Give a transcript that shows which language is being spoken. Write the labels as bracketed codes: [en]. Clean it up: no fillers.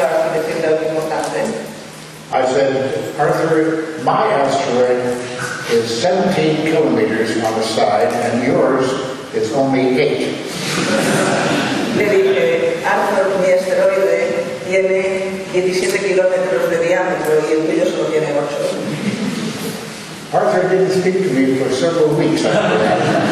[en] I said, Arthur, my asteroid is 17 kilometers on the side and yours is only 8. [es] Le dije, Arthur, mi asteroide tiene 17 kilómetros de diámetro y el tuyo solo tiene 8. [en] Arthur didn't speak to me for several weeks after that.